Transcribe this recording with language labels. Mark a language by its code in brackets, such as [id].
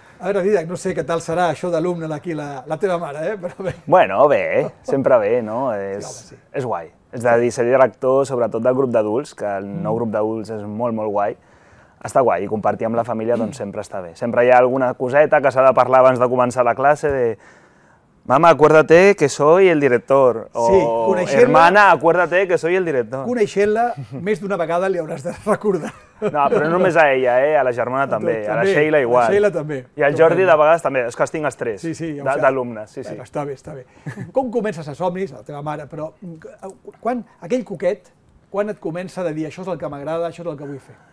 [es] A ver, Didac, no sé qué tal será [ca] això d'alumne aquí, la teva mare, eh? Però bé. Bueno, bé, sempre bé, no? És guai. És a dir, ser director, sobretot del grup d'adults, que el nou grup d'adults és molt, molt guai, està guai, i compartir amb la família doncs sempre està bé. Sempre hi ha alguna coseta que s'ha de parlar abans de començar la classe, de... [es] Mama, acuérdate que soy el director. Sí, o hermana, acuérdate que soy el director. [ca] Coneixent-la, més d'una vegada li hauràs de recordar. No, però no només a ella, a la germana també, a la Sheila igual. A Sheila també. I al Jordi de vegades també, és que tinc els tres sí, sí, d'alumnes. Sí, sí. Està bé, està bé. Com comences a somnis, la teva mare, però quan, aquell cuquet, quan et comença a dir això és el que m'agrada, això és el que vull fer?